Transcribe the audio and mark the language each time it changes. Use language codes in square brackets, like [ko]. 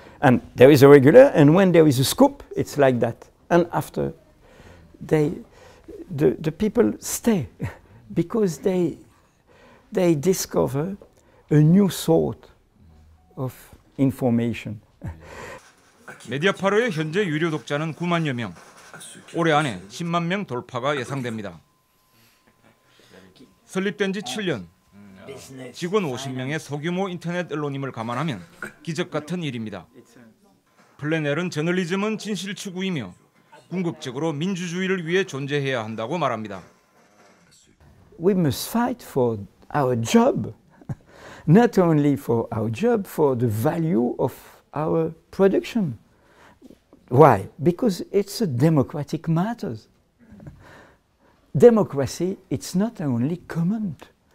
[en] And there is a regular, and when there is a scoop, it's like that. And after, the people stay because they discover a new sort of information. [ko] 메디아파로의 현재 유료 독자는 9만여 명. 올해 안에 10만 명 돌파가 예상됩니다. 설립된 지 7년. 직원 50명의 소규모 인터넷 언론임을 감안하면 기적같은 일입니다. 플레넬은 저널리즘은 진실 추구이며 궁극적으로 민주주의를 위해 존재해야 한다고 말합니다. [en] We must fight for our job. Not only for our job, for the value of our production. Why? Because it's a democratic matters. Democracy, it's not only comment.